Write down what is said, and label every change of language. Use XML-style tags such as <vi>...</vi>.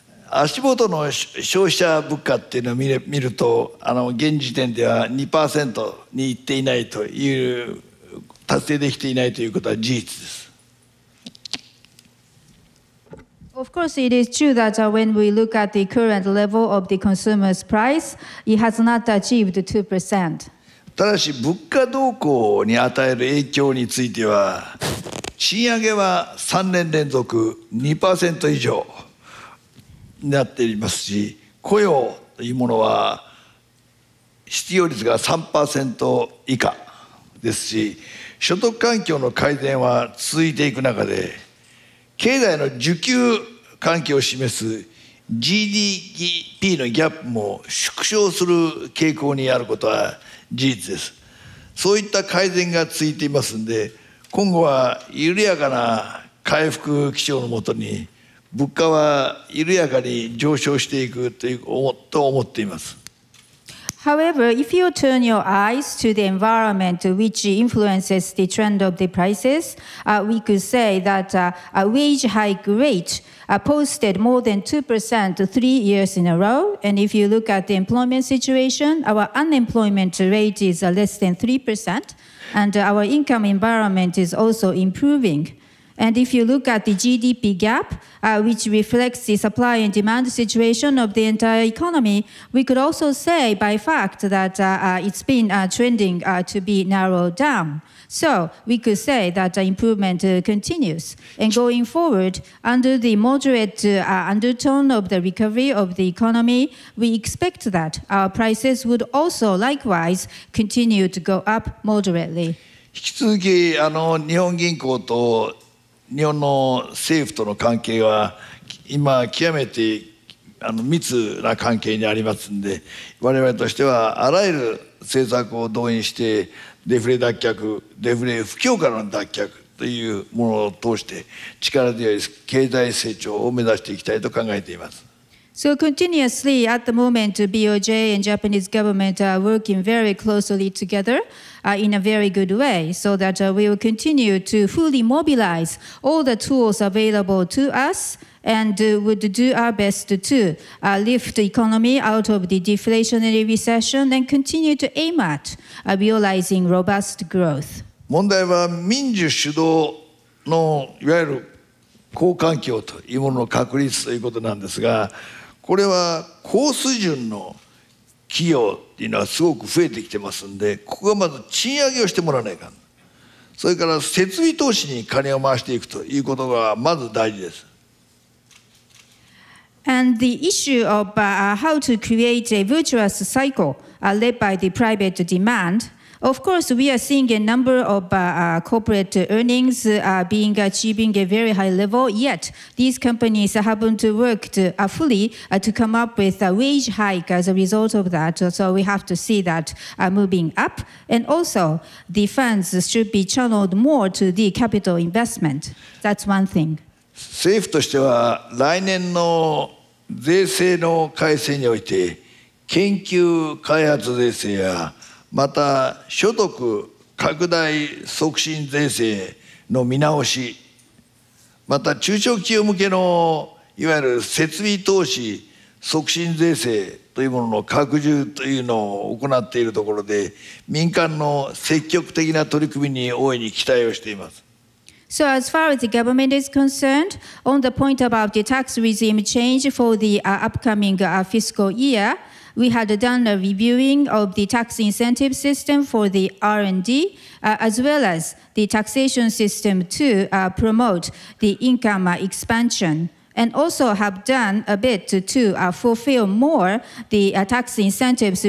<ja>足元の消費者物価っていうのを見ると、現時点では 2% にいっていないという、達成できていないということは事実です。</ja> <en>Of course, it is true that when we look at the current level of the consumer's price, it has not achieved 2%.</en> <ja>ただし、物価動向に与える影響については、賃上げは3年連続 2% 以上。なっていますし、雇用というものは失業率が 3% 以下ですし、所得環境の改善は続いていく中で、経済の需給環境を示す GDP のギャップも縮小する傾向にあることは事実です。そういった改善が続いていますので、今後は緩やかな回復基調のもとに物価は緩やかに上昇していくと思っています。</ja> <en>However, if you turn your eyes to the environment which influences the trend of the prices, we could say that a wage hike rate posted more than 2% 3 years in a row. And if you look at the employment situation, our unemployment rate is less than 3%, and our income environment is also improving. And if you look at the GDP gap, which reflects the supply and demand situation of the entire economy, we could also say by fact that it's been trending to be narrowed down. So we could say that improvement continues. And going forward, under the moderate undertone of the recovery of the economy, we expect that our prices would also likewise continue to go up moderately.</en> <ja>引き続き、日本銀行と日本の政府との関係は今極めて密な関係にありますので、我々としてはあらゆる政策を動員してデフレ脱却、デフレ不況からの脱却というものを通して力強い経済成長を目指していきたいと考えています。</ja> <en>So continuously at the moment, BOJ and Japanese government are working very closely together in a very good way so that we will continue to fully mobilize all the tools available to us and would do our best to lift the economy out of the deflationary recession and continue to aim at realizing robust growth.</en> <ja>問題は民需主導のいわゆる好環境というものの確立ということなんですが、これは高水準の企業っていうのはすごく増えてきてますんで、ここはまず賃上げをしてもらわないかん。それから設備投資に金を回していくということがまず大事です。</ja> <en>And the issue of how to create a virtuous cycle led by the private demand. Of course, we are seeing a number of corporate earnings being achieving a very high level, yet these companies haven't worked fully to come up with a wage hike as a result of that. So we have to see that moving up. And also, the funds should be channeled more to the capital investment. That's one thing.</en> <ja>政府としては来年の税制の改正において、研究開発税制やまた所得拡大促進税制の見直し、また中小企業向けのいわゆる設備投資促進税制というものの拡充というのを行っているところで、民間の積極的な取り組みに大いに期待をしています。</ja> <en>So as far as the government is concerned, on the point about the tax regime change for the upcoming fiscal year, we had done a reviewing of the tax incentive system for the R&D, as well as the taxation system to promote the income expansion, and also have done a bit to fulfill more the tax incentives.</en>